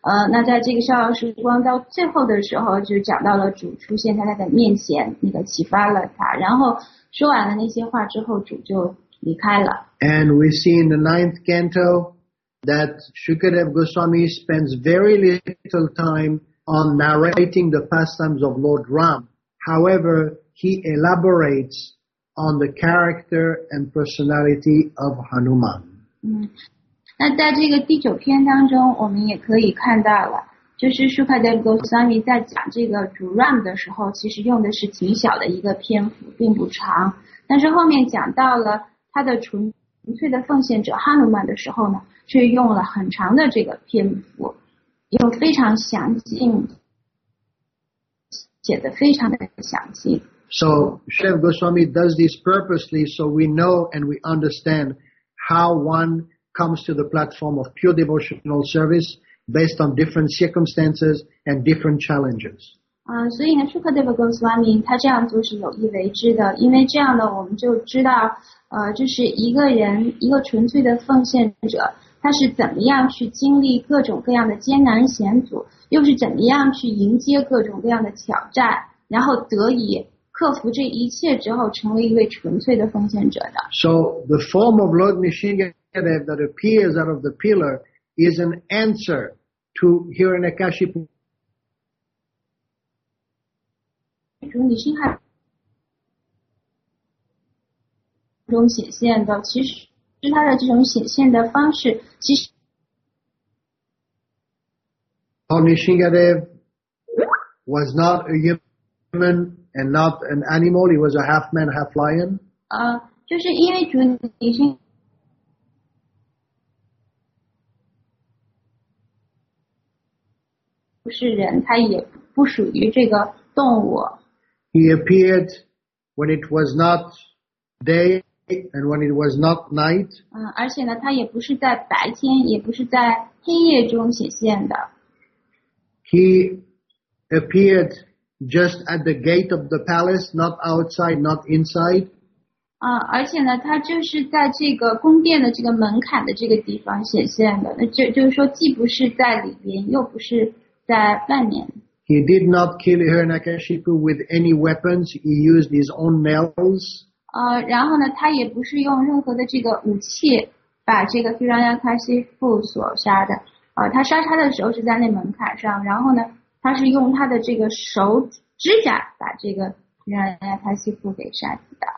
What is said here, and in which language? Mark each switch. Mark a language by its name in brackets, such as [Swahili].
[Chinese] 那在这个逍遥时光到最后的时候，就讲到了主出现在他的面前，那个启发了他，然后说完了那些话之后，主就离开了。 [English] And we see in the ninth canto that Shukadev Goswami spends very little time on narrating the pastimes of Lord Ram. However, he elaborates on the character and personality of Hanuman. [Chinese] 那在这个第九篇当中，我们也可以看到了，就是 Shukadev Goswami 在讲这个主 Ram 的时候，其实用的是挺小的一个篇幅，并不长。但是后面讲到了他的纯粹的奉献者 Hanuman 的时候呢，却用了很长的这个篇幅，用非常详尽，写的非常的详细。 [English] So Shukadev Goswami does this purposely, so we know and we understand how one. Comes to the platform of pure devotional service based on different circumstances and different challenges. [Chinese] 所以呢 ，Shukadev Goswami 他这样做是有意为之的，因为这样呢，我们就知道，就是一个人，一个纯粹的奉献者，他是怎么样去经历各种各样的艰难险阻，又是怎么样去迎接各种各样的挑战，然后得以克服这一切之后，成为一位纯粹的奉献者的。 [English] So the form of Lord Nisshinkadev. That appears out of the pillar is an answer to Hiranyakashipu. [Chinese] 中显现的，其实它的这种显现的方式，其实 [English] Nisshinkadev was not a human and not an animal. He was a half man, half lion. [Chinese] 就是因为主你是不是人，他也不属于这个动物。 [English] He appeared when it was not day and when it was not night. [Chinese] 而且呢，他也不是在白天，也不是在黑夜中显现的。 [English] He appeared just at the gate of the palace, not outside, not inside. [Chinese] 而且呢，他就是在这个宫殿的这个门槛的这个地方显现的。那就是说，既不是在里边，又不是在外面。 [English] He did not kill Hiranyakashipu with any weapons. He used his own nails. [Chinese] 然后呢，他也不是用任何的这个武器把这个 Hiranyakashipu 所杀的。他杀他的时候是在那门槛上，然后呢，他是用他的这个手指甲把这个 Hiranyakashipu 给杀死的。